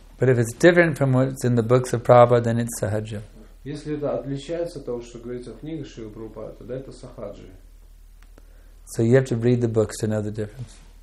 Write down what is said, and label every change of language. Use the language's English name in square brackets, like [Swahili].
[English] But if it's different from what's in the books of Prabhupada, then it's sahaja. [Russian] Если это отличается от того, что говорится в книгах Шрила Прабхупада, тогда это сахаджи. [English] So you have to read the books to know the difference.